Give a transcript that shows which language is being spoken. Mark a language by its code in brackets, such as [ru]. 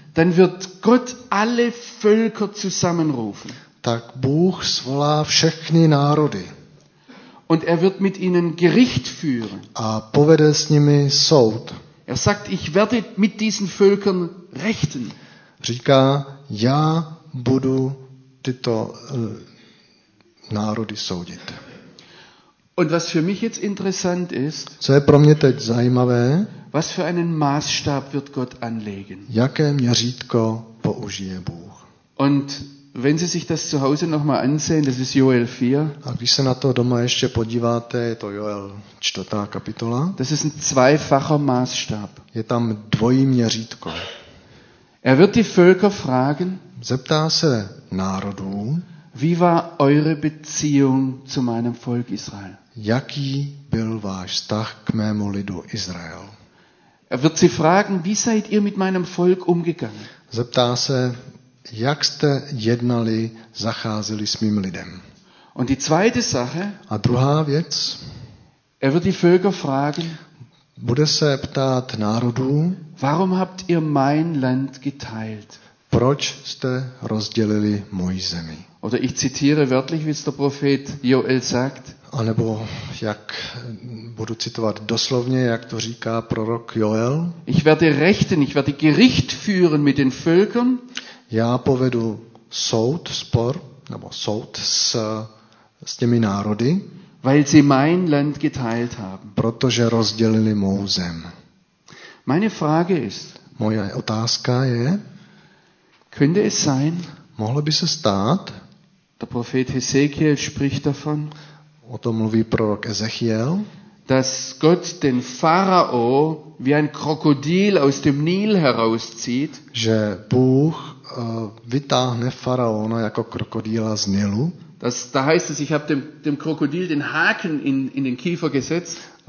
[de] dann wird Gott alle Völker zusammenrufen. [cs] Tak Bůh svolá všechny národy. [de] Und er wird mit ihnen Gericht führen. [cs] A povede s nimi soud. [de] Er sagt, ich werde mit diesen Völkern rechten. [cs] Říká, já budu tyto národy soudit. [de] Und was für mich jetzt interessant ist, [cs] co je pro mě teď zajímavé, [de] was für einen Maßstab wird Gott anlegen. [cs] Jaké měřítko použije Bůh. [de] Und wenn Sie sich das zu Hause noch mal ansehen, das ist Joel 4. [cs] A když se na to doma ještě podíváte, je to Joel 4. kapitola. [de] Das ist ein zweifacher Maßstab. [cs] Je tam dvojměřítko. [de] Er wird die Völker fragen, [cs] zeptá se národů, [de] wie war eure Beziehung zu meinem Volk Israel? [cs] Jaký byl váš vztah k mému lidu Izrael? [de] Er wird sie fragen, wie seid ihr mit meinem Volk umgegangen? [cs] Zeptá se, jak jste jednali, zacházeli s mým lidem. [de] Und die zweite Sache, [cs] a druhá věc, [de] er wird die Völker fragen, [cs] bude se ptát národů, [de] warum habt ihr mein Land geteilt? [cs] Proč jste rozdělili moji zemi? [de] Oder ich zitiere wörtlich, wie es der Prophet Joel sagt, [cs] A nebo jak budu citovat doslovně, jak to říká prorok Joel. [de] Ich werde rechten, ich werde Gericht führen mit den Völkern. [cs] Já povedu soud, spor, nebo soud s těmi národy. [de] Weil sie mein Land geteilt haben. [cs] Protože rozdělili mou zem. [de] Meine Frage ist, [cs] moje otázka je, [de] könnte es sein, [cs] mohlo by se stát, [de] der Prophet Hesekiel spricht davon, [cs] o tom mluví prorok Ezechiel, [de] dass Gott den Pharao wie ein Krokodil aus dem Nil herauszieht, [cs] že Bůh vytáhne faraona jako krokodýla z Nilu. [de] Das, da heißt es, ich habe dem Krokodil den Haken in den Kiefer gesetzt.